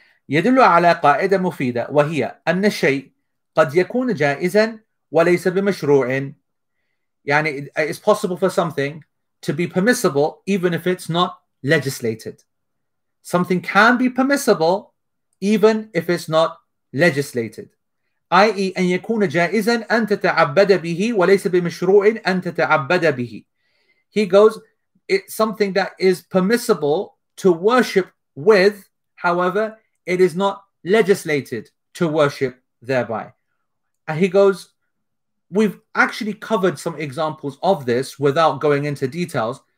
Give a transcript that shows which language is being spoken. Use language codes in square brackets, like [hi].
[ar] يدل على قاعدة مفيدة وهي أن الشيء قد يكون جائزا وليس بمشروع. [en] يعني it's possible for something to be permissible even if it's not legislated. Something can be permissible even if it's not legislated. I.e. [ar] أن يكون جائزا أن تتعبد به وليس بمشروع أن تتعبد به. [en] He goes, it's something that is permissible to worship with, however, it is not legislated to worship thereby. And he goes, we've actually covered some examples of this without going into details.